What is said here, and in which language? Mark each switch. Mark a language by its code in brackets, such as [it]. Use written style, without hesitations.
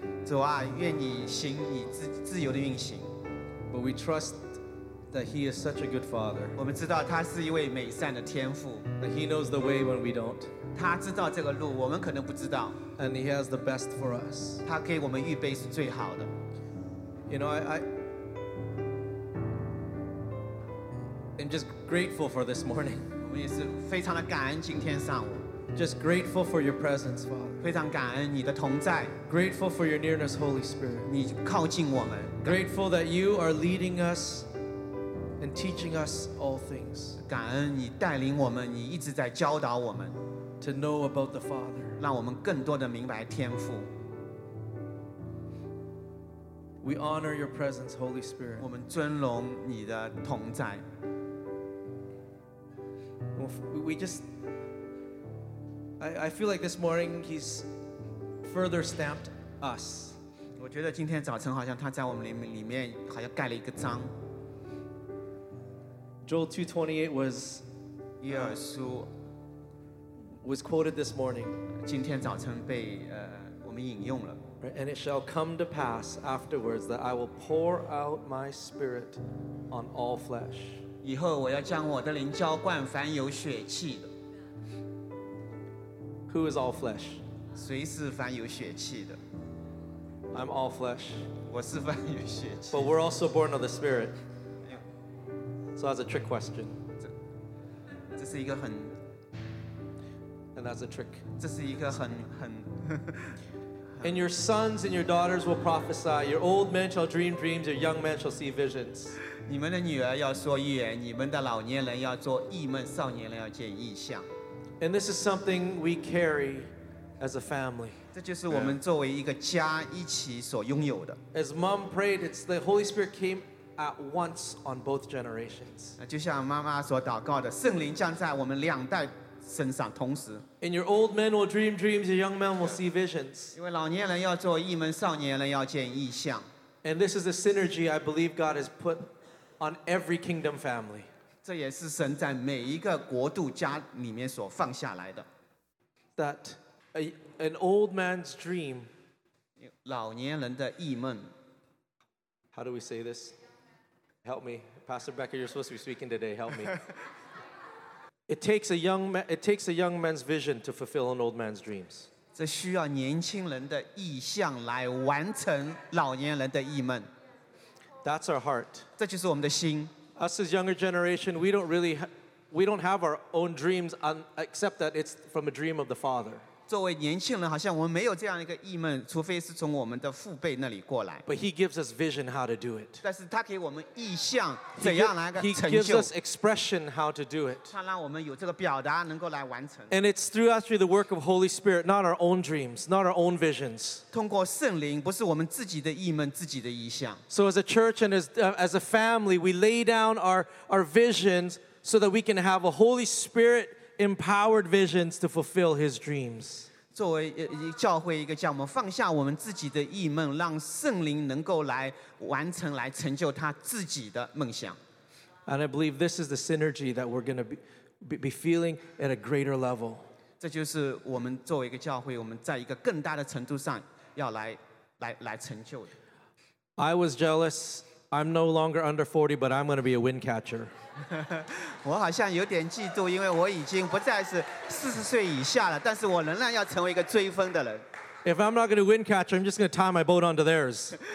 [zh] 主啊，愿你行你自由的运行。 [en] But we trust that He is such a good Father. [zh] 我们知道他是一位美善的天父。 [en] That He knows the way when we don't. [zh] 他知道这个路，我们可能不知道。 [en] And He has the best for us. [zh] 他给我们预备是最好的。 [en] You know, I am just grateful for this morning. [zh] 我们也是非常的感恩今天上午。 [en] Just grateful for your presence, Father. [zh] 非常感恩你的同在。 [en] Grateful for your nearness, Holy Spirit. [zh] 你靠近我们。 [en] Grateful that you are leading us and teaching us all things. [zh] 感恩你带领我们，你一直在教导我们。 [en] To know about the Father. [zh] 让我们更多的明白天父。 [en] We honor your presence, Holy Spirit. [zh] 我们尊荣你的同在。 [en] We just I feel like this morning he's further stamped us. [zh] 我觉得今天早晨好像他在我们里面好像盖了一个章。 [en] Joel 2:28 was, was quoted this morning. [zh] 今天早晨被我们引用了。 [en] And it shall come to pass afterwards that I will pour out my spirit on all flesh. [zh] 以后我要将我的灵浇灌凡有血气的。 [en] Who is all flesh? [zh] 谁是凡有血气的？ [en] I'm all flesh. [zh] 我是凡有血气。 [en] But we're also born of the spirit. So that's a trick question. [zh] 这是一个很。 [en] And that's a trick. [zh] 这是一个很。 [en] And your sons and your daughters will prophesy. Your old men shall dream dreams. Your young men shall see visions. [zh] 你们的女儿要说预言，你们的老年人要做异梦，少年人要见异象。 [en] And this is something we carry as a family. [zh] 这就是我们作为一个家一起所拥有的。 [en] As mom prayed, it's the Holy Spirit came at once on both generations. [zh] 就像妈妈所祷告的，圣灵降在我们两代。身上同时 [en] And your old men will dream dreams, your young men will see visions. [zh] 因为老年人要做异梦，少年人要见异象。 [en] And this is a synergy I believe God has put on every kingdom family. [zh] 这也是神在每一个国度家里面所放下来的。 [en] That an old man's dream, [zh] 老年人的异梦。 [en] How do we say this? Help me. Pastor Becker, you're supposed to be speaking today. Help me. It takes a young man's vision to fulfill an old man's dreams. [zh] 这需要年轻人的意向来完成老年人的异梦。 [en] That's our heart. [zh] 这就是我们的心。 [en] Us as younger generation, we don't have our own dreams, except that it's from a dream of the Father. [zh] 作为年轻人，好像我们没有这样一个异梦，除非是从我们的父辈那里过来。 [en] But He gives us vision how to do it. [zh] 但是他给我们意向怎样来个成就。 [en] He gives us expression how to do it. [zh] 他让我们有这个表达能够来完成。 [en] And it's through the work of Holy Spirit, not our own dreams, not our own visions. [zh] 通过圣灵，不是我们自己的异梦、自己的意向。 [en] So as a church and as a family, we lay down our visions so that we can have a Holy Spirit. Empowered visions to fulfill his dreams. [zh] 作为教会一个叫我们放下我们自己的异梦，让圣灵能够来完成，来成就他自己的梦想。 [en] And I believe this is the synergy that we're going to be feeling at a greater level. [zh] 这就是我们作为一个教会，我们在一个更大的程度上要来成就的。 [en] I was jealous. I'm no longer under 40, but I'm going to be a wind catcher. [zh] 我好像有点嫉妒，因为我已经不再是四十岁以下了，但是我仍然要成为一个追风的人。 [en] If I'm not going to wind catcher, I'm just going to tie my boat onto theirs.